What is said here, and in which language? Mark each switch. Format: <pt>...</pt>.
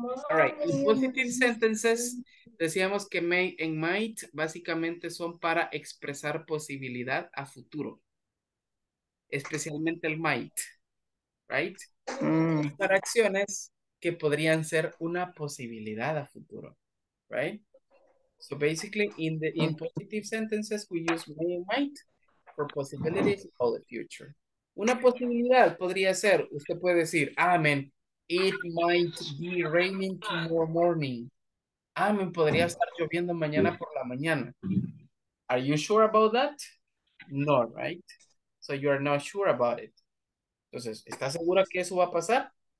<en>All right, in positive sentences</en> <es>decíamos que may and might básicamente son para expresar posibilidad a futuro. Especialmente el might.</es> <en>Right?</en> <es>Para acciones que podrían ser una posibilidad a futuro,</es> <en>right? So basically, in positive sentences, we use may and might for possibilities of the future.</en> <es>Una posibilidad podría ser, usted puede decir, amen,</es> <en>it might be raining tomorrow morning.</en> <es>Amen, podría estar lloviendo mañana por la mañana.</es> <en>Are you sure about that?</en> <es>No,</es> <en>right? so you are not sure about it.</en> <es>Entonces, ¿estás segura que eso va a pasar?</es>